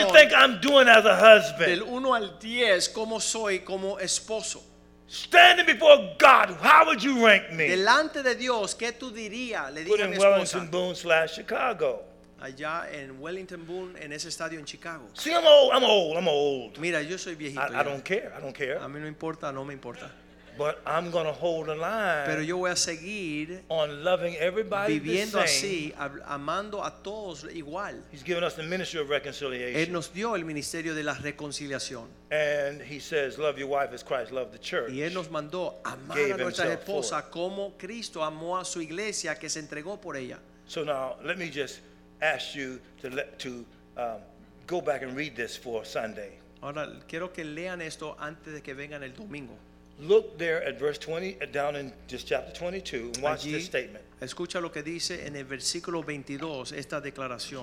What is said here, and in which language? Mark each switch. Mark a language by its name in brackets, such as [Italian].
[English] How do you think I'm doing as a husband? [Spanish] Del 1 al 10, ¿cómo soy como esposo? [English] Standing before God, how would you rank me? [Spanish] Delante de Dios, ¿qué tú dirías? Le dije a mi esposa. Wellington Boone / Chicago. Allá en Wellington Boone, en ese estadio en Chicago. [English] See, I'm old. [Spanish] Mira, yo soy viejito. [English] I don't care. [Spanish] A mí no importa, no me importa. [English] But I'm going to hold a line. [Spanish] Pero yo voy a seguir [English] on loving everybody [Spanish] viviendo [English] the same. [Spanish] Así, amando a todos igual. [English] He's given us the ministry of reconciliation. [Spanish] Él nos dio el ministerio de la reconciliación. [English] And he says, love your wife as Christ loved the church. [Spanish] Y él nos mandó amar a nuestra esposa como Cristo amó a su iglesia que se entregó por ella. [English] So now, let me just ask you to go back and read this for Sunday. [Spanish] Ahora quiero que lean esto antes de que vengan el domingo. [English] Look there at verse 20, down in just chapter 22, and watch [Spanish] allí, [English] this statement. [Spanish] Escucha lo que dice en el versículo 22 esta declaración.